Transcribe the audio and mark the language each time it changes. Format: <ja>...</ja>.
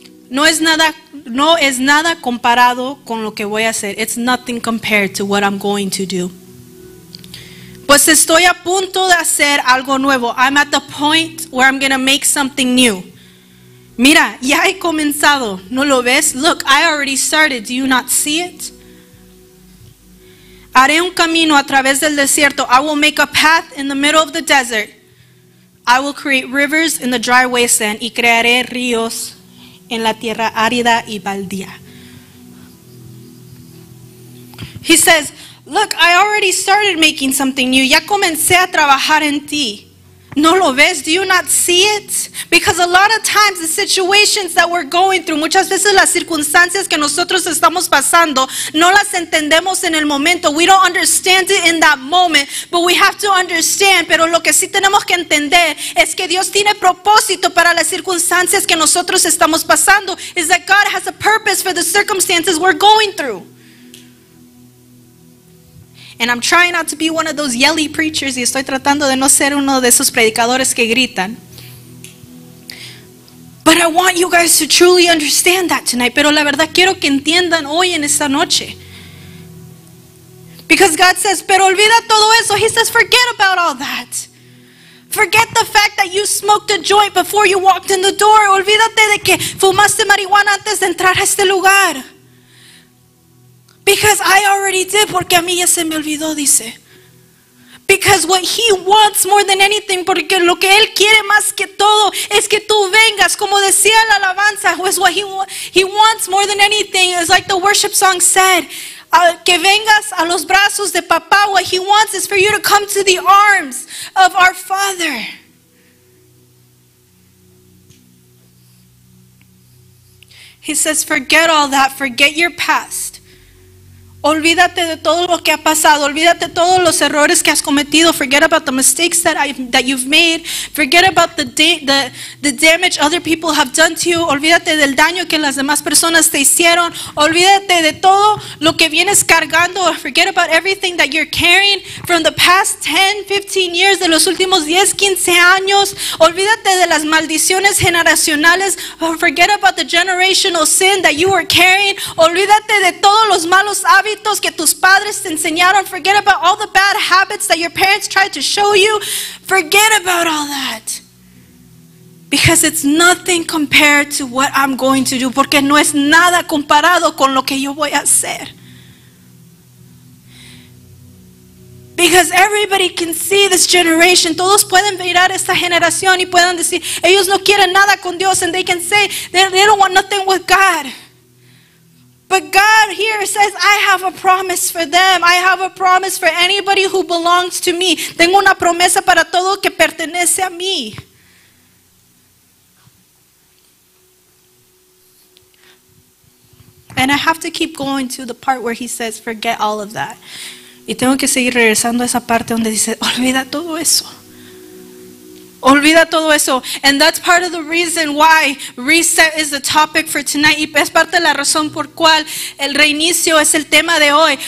<es>No es nada comparado con lo que voy a hacer.</es> <en>It's nothing compared to what I'm going to do.</en> <es>Pues estoy a punto de hacer algo nuevo.</es> <en>I'm at the point where I'm going to make something new.</en> <es>Mira, ya he comenzado. ¿No lo ves?</es> <en>Look, I already started. Do you not see it?</en> <es>Haré un camino a través del desierto.</es> <en>I will make a path in the middle of the desert. I will create rivers in the dry wasteland.</en> <es>Y crearé ríos en la tierra árida y baldía.</es> <en>He says, look, I already started making something new.</en> <es>Ya comencé a trabajar en ti. ¿No lo ves?</es> <en>Do you not see it? Because a lot of times the situations that we're going through,</en> <es>muchas veces las circunstancias que nosotros estamos pasando, no las entendemos en el momento.</es> <en>We don't understand it in that moment, but we have to understand.</en> <es>Pero lo que sí tenemos que entender es que Dios tiene propósito para las circunstancias que nosotros estamos pasando.</es> <en>Is that God has a purpose for the circumstances we're going through. And I'm trying not to be one of those yelly preachers.</en> <es>Y estoy tratando de no ser uno de esos predicadores que gritan.</es> <en>But I want you guys to truly understand that tonight.</en> <es>Pero la verdad quiero que entiendan hoy en esta noche.</es> <en>Because God says,</en> <es>pero olvida todo eso.</es> <en>He says, forget about all that. Forget the fact that you smoked a joint before you walked in the door.</en> <es>Olvídate de que fumaste marihuana antes de entrar a este lugar.</es> <en>Because I already did,</en> <es>porque a mí ya se me olvidó, dice.</es> <en>Because what he wants more than anything,</en> <es>porque lo que él quiere más que todo es que tú vengas, como decía la alabanza,</es> <en>was what he wants more than anything. It's like the worship song said,</en> <es>que vengas a los brazos de papá.</es> <en>What he wants is for you to come to the arms of our Father. He says, forget all that, forget your past.</en> <es>Olvídate de todo lo que ha pasado. Olvídate todos los errores que has cometido.</es> <en>Forget about the mistakes that you've made. Forget about the damage other people have done to you.</en> <es>Olvídate del daño que las demás personas te hicieron. Olvídate de todo lo que vienes cargando.</es> <en>Forget about everything that you're carrying from the past 10, 15 years,</en> <es>de los últimos 10, 15 años. Olvídate de las maldiciones generacionales.</es> <en>Forget about the generational sin that you were carrying.</en> <es>Olvídate de todos los malos hábitos que tus padres te enseñaron.</es> <en>Forget about all the bad habits that your parents tried to show you. Forget about all that. Because it's nothing compared to what I'm going to do.</en> <es>Porque no es nada comparado con lo que yo voy a hacer.</es> <en>Because everybody can see this generation.</en> <es>Todos pueden mirar esta generación y pueden decir, ellos no quieren nada con Dios.</es> <en>And they can say, they don't want nothing with God. But God here says, I have a promise for them. I have a promise for anybody who belongs to me.</en> <es>Tengo una promesa para todo que pertenece a mí.</es> <en>And I have to keep going to the part where he says, forget all of that.</en> <es>Y tengo que seguir regresando a esa parte donde dice, olvida todo eso. Olvida todo eso.</es> <en>And that's part of the reason why reset is the topic for tonight.</en> <es>Y es parte de la razón por cual el reinicio es el tema de hoy.</es>